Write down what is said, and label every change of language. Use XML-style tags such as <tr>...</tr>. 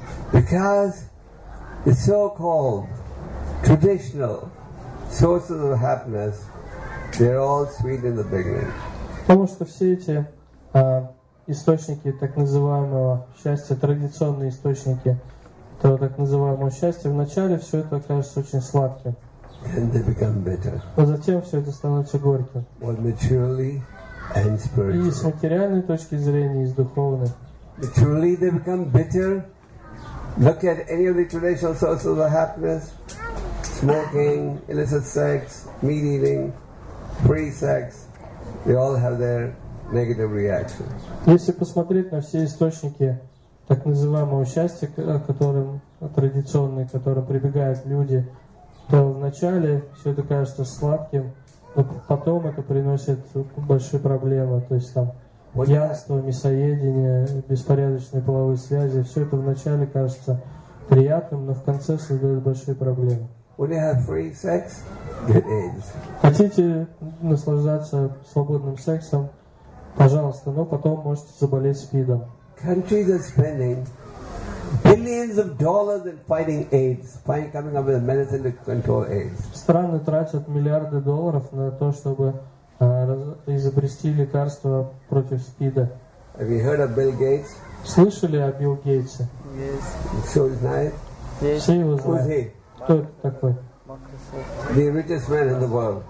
<en>Because the so-called traditional sources of happiness, they're all sweet in the beginning.</en> <ru>Потому что все эти источники так называемого счастья, традиционные источники этого так называемого счастья, вначале все это кажется очень сладким.</ru> <en>Then they become bitter.</en> <ru>Но затем все это становится горьким.</ru> <en>Both materially and spiritually.</en> <ru>И с материальной точки зрения, и с духовной.</ru> <en>Materially they become bitter. Look at any of the traditional sources of happiness. Smoking, illicit sex, meat eating, free sex, they all have their negative reactions.</en> <ru>Если посмотреть на все источники так называемого счастья, которым традиционные, которым прибегают люди, то вначале все это кажется сладким, но потом это приносит большие проблемы, то есть там пьянство, мясоедение, беспорядочные половые связи, все это вначале кажется приятным, но в конце создает большие проблемы.</ru> <en>When you have free sex, get AIDS.</en> <ru>Хотите наслаждаться свободным сексом? Пожалуйста, но потом можете заболеть СПИДом.</ru> <en>Countries are spending billions of dollars in fighting AIDS, coming up with a medicine to control AIDS.</en> <ru>Страны тратят миллиарды долларов на то, чтобы изобрести лекарство против СПИДа.</ru> <en>Have you heard of Bill Gates?</en> <ru>Слышали о Билл Гейтсе?</ru> <en>Yes. So is Nayib?</en> <ru>Yes. Все его знают.</ru> <en>Who is he?</en> <ru>Кто это такой?</ru> <en>The richest man in the world.</en>